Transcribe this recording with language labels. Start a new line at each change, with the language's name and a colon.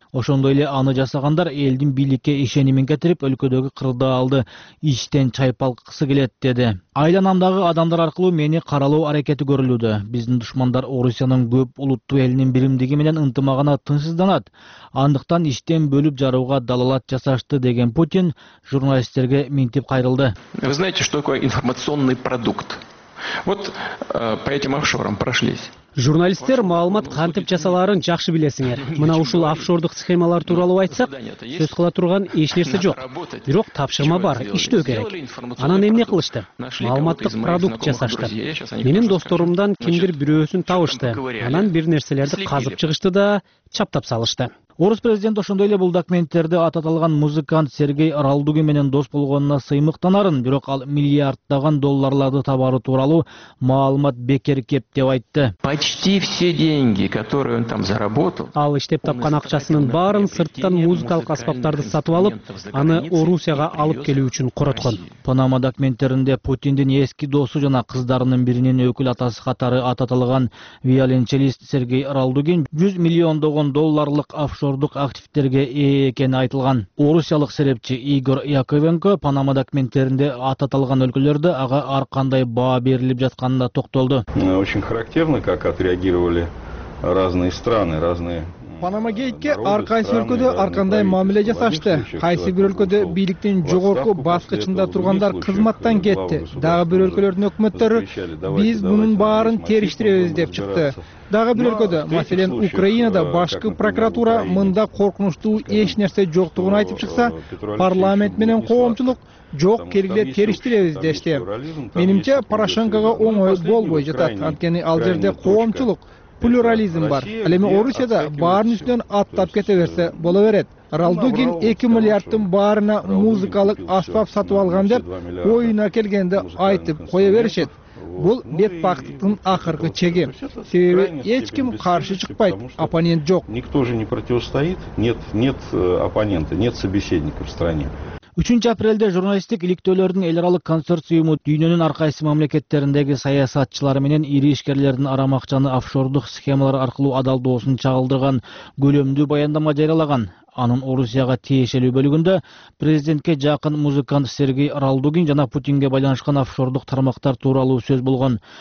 Kyrgyz: Ошондой эле аны жасагандар элдин бийликке ишенимин кетирип, өлкөдөгү кырдаалды иштен чайпалткысы келет деди. Айланамдагы адамдар аркылуу мени каралоо аракети көрүлүүдө. Биздин душмандар Орусиянын көп улуттуу элинин биримдиги менен ынтымагына тынчсызданат. Андыктан иштен бөлүп жарууга далалат жасашты деген Путин журналисттерге минтип кайрылды.
Russian: Вы знаете, что такое информационный продукт? Вот по этим офшорам прошлись.
Kyrgyz: Журналисттер маалымат кантип жасаларын жакшы билесиңер. Мына ушул офшордук схемалар тууралуу айтсак, сөз кыла турган эч нерсе жок. Бирок тапшырма бар, иштөө керек. Анан эмне кылышты? Маалыматтык продукт жасашты. Менин досторумдан кимдир бирөөсүн табышты. Анан бир нерселерди казып чыгышты да чаптап салышты. Орус президент ошондой эле бул документтерди ат аталган музыкант Сергей Ралдугин менен дос болгонуна сыймыктанарын, бирок ал миллиарддаган долларларды табары тууралуу маалымат бекер кеп деп айтты.
Russian: Почти все деньги, которые он там заработал.
Kyrgyz: Ал иштеп тапкан акчасынын баарын сырттан музыкалык аспаптарды сатып алып, аны Орусияга алып келүү үчүн короткон. Панама документтеринде Путиндин эски досу жана кыздарынын биринин өкүл атасы катары ат аталган виолончелист Сергей Ралдугин 100 миллиондогон долларлык офшор офшордук активдерге ээ экени айтылган. Орусиялык серепчи Игорь Яковенко Панама документтеринде аты аталган өлкөлөрдө ага ар кандай баа берилип жатканына токтолду.
Russian: Очень характерно, как отреагировали разные страны, разные
Kyrgyz: Панама гейтке ар кайсы өлкөдө ар кандай мамиле жасашты. Кайсы бир өлкөдө бийликтин жогорку баскычында тургандар кызматтан кетти. Дагы бир өлкөлөрдүн өкмөттөрү биз мунун баарын териштиребиз деп чыкты. Дагы бир өлкөдө, маселен Украинада башкы прокуратура мында коркунучтуу эч нерсе жоктугун айтып чыкса, парламент менен коомчулук жок келгиле териштиребиз дешти. Менимче Порошенкого оңой болбой жатат, анткени ал жерде коомчулук плюрализм бар. Ал эми Орусияда баарын үстүнөн аттап кете берсе боло берет. Ралдугин 2 миллиардтын баарына музыкалык аспап сатып алган деп оюна келгенде айтып кое беришет. Бул бетбактыктын акыркы чеги. Себеби эч ким каршы чыкпайт, оппонент жок.
Russian: Никто же не противостоит, нет оппонента, нет собеседника в стране.
Kyrgyz: 3 апрелде журналисттик иликтөөлөрдүн эл аралык консорциуму дүйнөнүн ар кайсы мамлекеттериндеги саясатчылары менен ири ишкерлердин арам акчаны офшордук схемалар аркылуу адалдоосун чагылдырган көлөмдүү баяндама жарыялаган. Анын Орусияга тиешелүү бөлүгүндө президентке жакын музыкант Сергей Ралдугин жана Путинге байланышкан офшордук тармактар тууралуу сөз болгон.